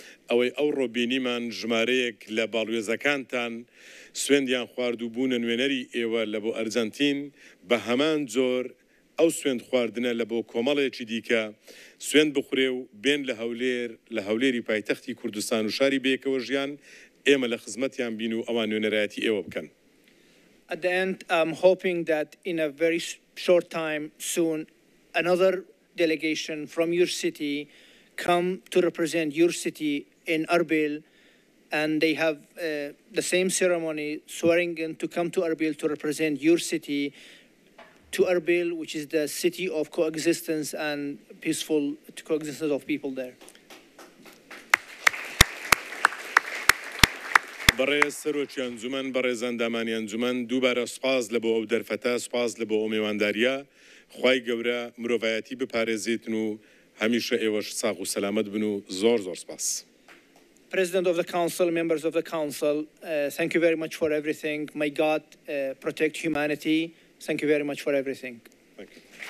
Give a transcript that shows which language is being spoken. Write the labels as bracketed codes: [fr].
[ckb] ئەوەی ئەو ڕۆبینیمان ژمارەیەک لە باڵوێزەکانتان سوێندیان خوارد و بوونە نوێنەری ئێوە لە بۆ ئەرجەنتین بە هەمان زۆر ئەو سوێند خواردنە لە بۆ کۆمەڵێکی دیکە سوێند بخورێ و بێن لە هەولێر لە هەولێری پایتەختی کوردستان و شاری بەیەکەوە ژیان ئێمە لە خزمەتیان بین و ئەوان نوێنەرایەتی ئێوە بکەن [en] At the end, I'm hoping that in a very short time, soon, another delegation from your city come to represent your city in Erbil, and they have the same ceremony, swearing in to come to Erbil to represent your city, to Erbil, which is the city of coexistence and peaceful coexistence of people there. [ckb] بەڕێز سەرۆکی ئەنجومەن بەڕێز ئەندامانی ئەنجومەن دووبارە سوپاس لە بۆ ئەو دەرفەتە سوپاس لە بۆ ئەو میوانداریە خوای گەورە مرۆڤایەتی بپارێزێتن و هەمیشە ئێوەش ساغ و سەلامەت بن و زۆر زۆر سپاس [en] President of the Council, members of the Council, thank you very much for everything. May God protect humanity. Thank you very much for everything. Thank you.